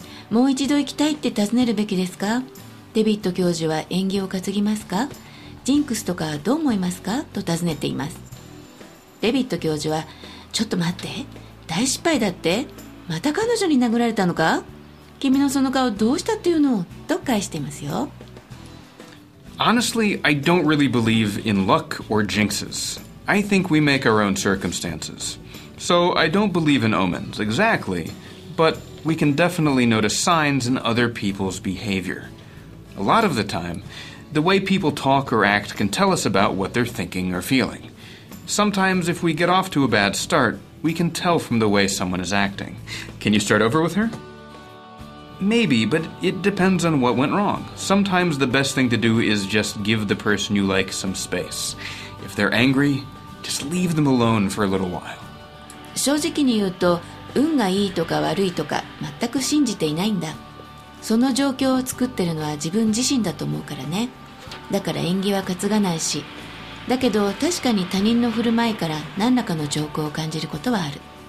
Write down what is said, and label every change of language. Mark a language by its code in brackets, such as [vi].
[ja] もう一度行きたいって尋ねるべきですか？デビッド教授は縁起を担ぎますか？ジンクスとかどう思いますか？と尋ねています。デビッド教授は、ちょっと待って、大失敗だって？また彼女に殴られたのか？君のその顔どうしたっていうの？と返してますよ。 [en] Honestly, I don't really believe in luck or jinxes. I think we make our own circumstances. So I don't believe in omens, exactly. But we can definitely notice signs in other people's behavior. A lot of the time, the way people talk or act can tell us about what they're thinking or feeling. Sometimes if we get off to a bad start, we can tell from the way someone is acting. Can you start over with her? Maybe, but it depends on what went wrong. Sometimes the best thing to do is just give the person you like some space. If they're angry, just leave them alone for a little while. [ja] 正直に言うと、運がいいとか悪いとか全く信じていないんだ。その状況を作ってるのは自分自身だと思うからね。だから縁起は担がないし。だけど確かに他人の振る舞いから何らかの兆候を感じることはある。